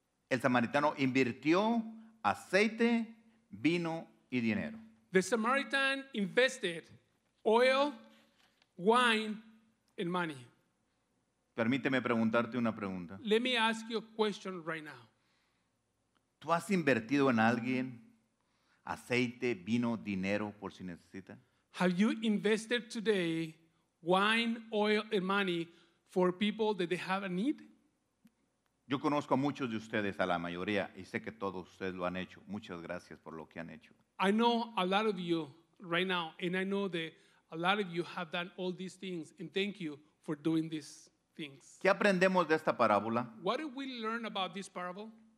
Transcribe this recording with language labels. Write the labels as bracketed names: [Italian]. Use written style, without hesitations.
[Spanish] El samaritano invirtió aceite, vino y dinero. [English] The Samaritan invested oil, wine, and money. [Spanish] Permíteme preguntarte una pregunta. [English] Let me ask you a question right now. [Spanish] ¿Tú has invertido en alguien aceite, vino, dinero por si necesita? [English] Have you invested today wine, oil, and money for people that they have a need? [Spanish] Yo conozco a muchos de ustedes, a la mayoría, y sé que todos ustedes lo han hecho. Muchas gracias por lo que han hecho. [English] I know a lot of you right now, and I know that a lot of you have done all these things, and thank you for doing these things. [Spanish] ¿Qué aprendemos de esta parábola? [English] What did we learn about this parable?